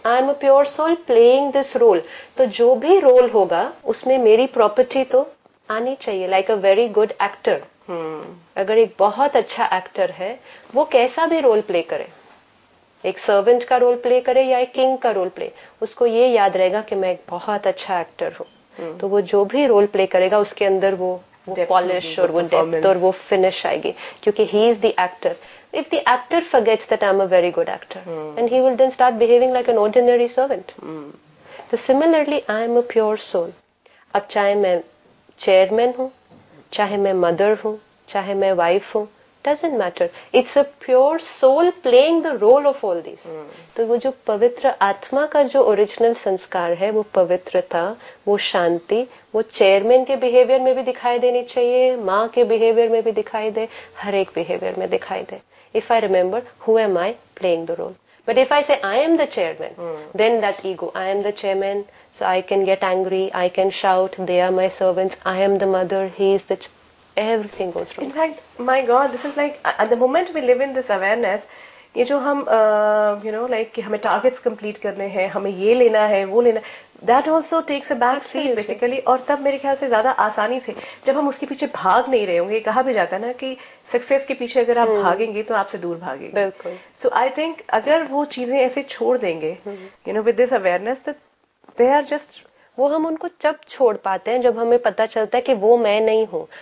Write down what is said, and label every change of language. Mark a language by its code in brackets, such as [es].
[en] I am a pure soul playing this role. [hi] तो जो भी role होगा उसमें मेरी property तो आनी चाहिए. [en] like a very good actor, [hi] अगर एक बहुत अच्छा एक्टर है वो कैसा भी रोल प्ले करे, एक सर्वेंट का रोल प्ले करे या एक किंग का रोल प्ले, उसको ये याद रहेगा कि मैं एक बहुत अच्छा एक्टर हूँ. तो वो जो भी रोल प्ले करेगा उसके अंदर वो पॉलिश और वो डेप्थ और वो फिनिश आएगी, क्योंकि [en] He is the actor. If the actor forgets that I am a very good actor, and he will then start behaving like an ordinary servant. [hi] तो [en] Similarly I am a pure soul. [hi] अब चाहे मैं chairman हूँ, चाहे मैं mother हूँ, चाहे मैं वाइफ हूँ, [en] Doesn't matter. It's a pure soul playing the role of all this. [hi] तो वो जो पवित्र आत्मा का जो ओरिजिनल संस्कार है, वो पवित्रता, वो शांति, वो चेयरमैन के बिहेवियर में भी दिखाई देनी चाहिए, माँ के बिहेवियर में भी दिखाई दे, हर एक बिहेवियर में दिखाई दे. [en] If I remember who am I playing the role. But if I say I am the chairman, then that ego, I am the chairman, so I can get angry, I can shout, they are my servants, I am the mother, he is the everything goes wrong. In fact, my God, this is like, at the moment we live in this awareness, [hi] ये जो हम [en] you know, like [hi] कि हमें targets complete करने हैं, हमें ये लेना है, वो लेना, [en] that also takes a back seat basically. [hi] और तब मेरे ख्याल से ज्यादा आसानी से, जब हम उसके पीछे भाग नहीं रहे होंगे. कहा भी जाता है ना कि सक्सेस के पीछे अगर आप भागेंगे तो आपसे दूर भागेंगे. बिल्कुल. [en] so I think [hi] अगर वो चीजें ऐसे छोड़ देंगे, [en] you know, with this awareness, they are just, [hi] वो हम उनको जब छोड़ पाते हैं, जब हमें पता चलता है कि वो मैं नहीं हूँ.